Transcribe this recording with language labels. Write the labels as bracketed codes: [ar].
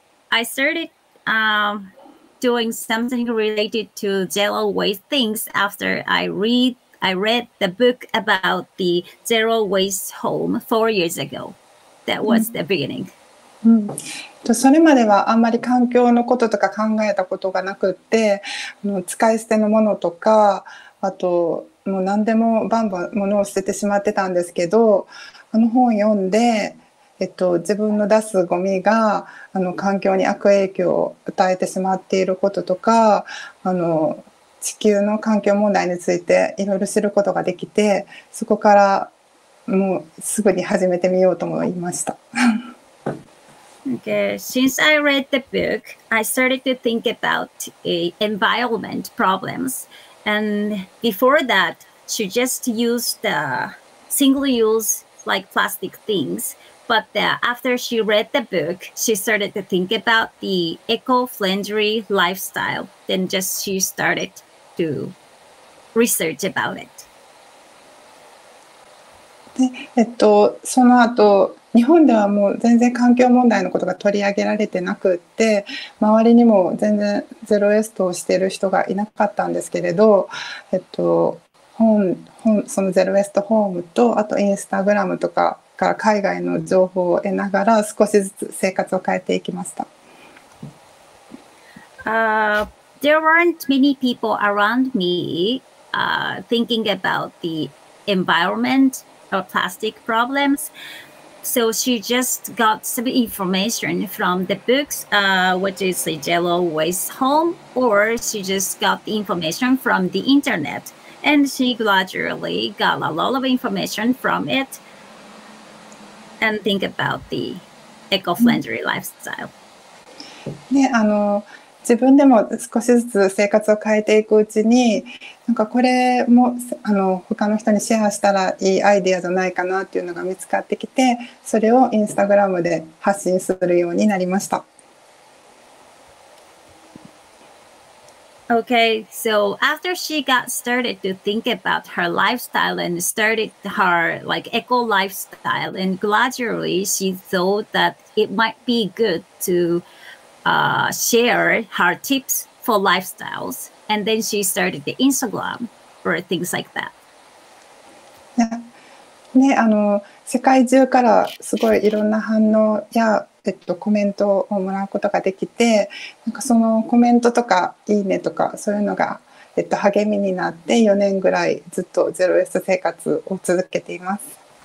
[en] I started doing something related to zero waste things after I read the book about the zero waste home 4 years ago. That was the beginning. [ja] それまではあんまり環境のこととか考えたことがなくって、あの使い捨てのものとか、あともう何でもバンバン物を捨ててしまってたんですけど、あの本を読んで、自分の出すゴミがあの環境に悪影響を与えてしまっていることとか、あの地球の環境問題についていろいろ知ることができて、そこからもうすぐに始めてみようと思いました。 [en] Okay. Since I read the book, I started to think about environment problems. And before that, she just used the single-use like plastic things. But after she read the book, she started to think about the eco-friendly lifestyle. Then just she started to research about it. [ja] その後日本ではもう全然環境問題のことが取り上げられてなくって、周りにも全然ゼロウェストをしている人がいなかったんですけれど、そのゼロウェストホームとあとインスタグラムとかから海外の情報を得ながら少しずつ生活を変えていきました。 [en] There weren't many people around me thinking about the environment or plastic problems. So she just got some information from the books, which is the Yellow Waste Home, or she just got the information from the internet. And she gradually got a lot of information from it and think about the eco-friendly lifestyle. [ja] Yeah, 自分でも少しずつ生活を変えていくうちに、なんかこれもあの他の人にシェアしたらいいアイデアじゃないかなっていうのが見つかってきて、それをインスタグラムで発信するようになりました。 [en] Okay, so after she got started to think about her lifestyle and started her like eco lifestyle, and gradually she thought that it might be good toshare her tips for lifestyles, and then she started the Instagram or things like that. [ja] ね、あの世界中からすごいいろんな反応や、コメントをもらうことができて、なんかそのコメントとかいいねとかそういうのが、励みになって4年ぐらいずっとゼロウェスト生活を続けています。